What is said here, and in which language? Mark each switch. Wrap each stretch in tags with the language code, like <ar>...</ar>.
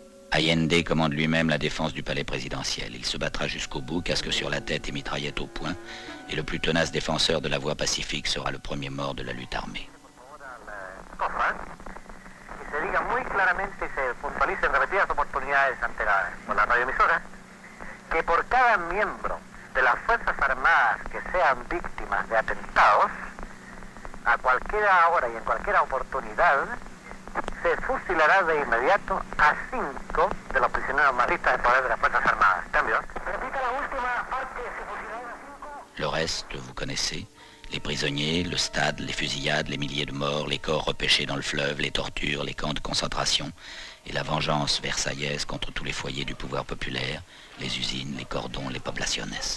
<fr>Allende commande lui-même la défense du palais présidentiel. Il se battra jusqu'au bout, casque sur la tête et mitraillette au poing, et le plus tenace défenseur de la voie pacifique sera le premier mort de la lutte armée.</fr> <es>Se diga muy claramente y se puntualice en repetidas oportunidades ante la, por la radioemisora que por cada miembro de las Fuerzas Armadas que sean víctimas de atentados, a cualquiera hora y en cualquiera oportunidad, se fusilará de inmediato a 5 de los prisioneros maristas de poder de las Fuerzas Armadas. Cambio. Repita la última parte, se fusilará a 5. Lo resto,</es> <fr>vous connaissez. Les prisonniers, le stade, les fusillades, les milliers de morts, les corps repêchés dans le fleuve, les tortures, les camps de concentration et la vengeance versaillaise contre tous les foyers du pouvoir populaire, les usines, les cordons, les poblaciones.</fr>